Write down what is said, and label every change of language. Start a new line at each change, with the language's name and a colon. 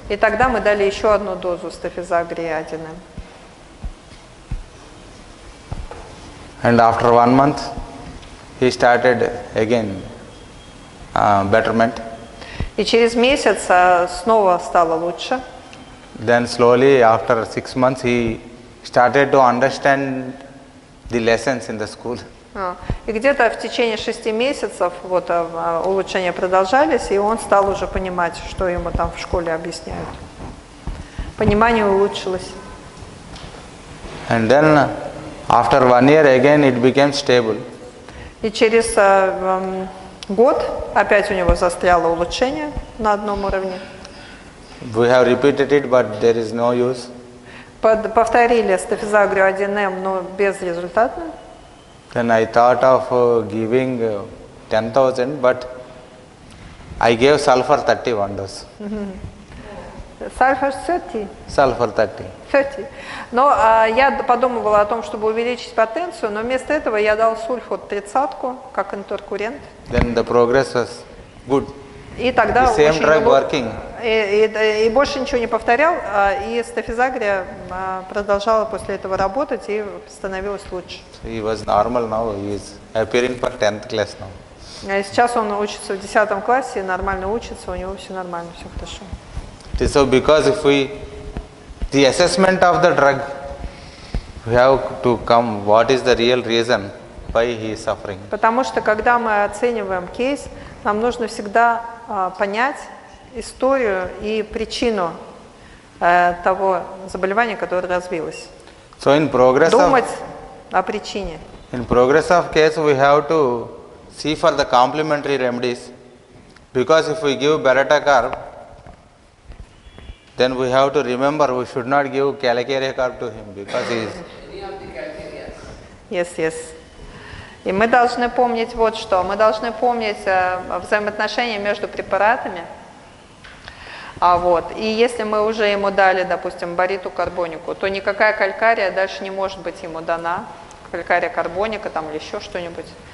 Russian: И тогда мы дали еще одну дозу стафизагрия 1.
English: And after 1 month, he started again betterment.
Russian: И через месяц снова стало лучше.
English: Then slowly, after 6 months, he started to understand the lessons in the school.
Russian: И где-то в течение 6 месяцев вот улучшения продолжались, и он стал уже понимать, что ему там в школе объясняют. Понимание улучшилось.
English: And then, after 1 year, again it became stable.
Russian: И через год опять у него застряло улучшение на одном уровне.
English: We have repeated it, but there is no use.
Russian: Повторили стафизагрию 1М, но безрезультатно.
English: Then I thought of giving 10,000, but I gave sulfur 31 dose. Sulfur 30? Sulfur 30. 30.
Russian: Но я подумывала о том, чтобы увеличить потенцию, но вместо этого я дал сульфур 30-ку, как интеркурент.
English: Then the progress was good.
Russian: И тогда
English: the same drug working.
Russian: И больше ничего не повторял, и стафизагрия продолжала после этого работать и становилась лучше.
English: He was normal now. He is appearing for 10th class now. И сейчас он учится в 10 классе, нормально учится, у него все нормально, все хорошо. So because if we the assessment of the drug, we have to come. What is the real reason why he is suffering?
Russian: Потому что когда мы оцениваем кейс, нам нужно всегда понять историю и причину того заболевания, которое развилось.
English: So in progress
Russian: думать о причине.
English: In progress of case, we have to see for the complementary remedies, because if we give baratacarb, then we have to remember we should not give calcareacarb to him because he is. Yes, yes.
Russian: И мы должны помнить вот что. Мы должны помнить взаимоотношения между препаратами. Вот. И если мы уже ему дали, допустим, бариту карбонику, то никакая калькария дальше не может быть ему дана. Калькария карбоника там или еще что-нибудь.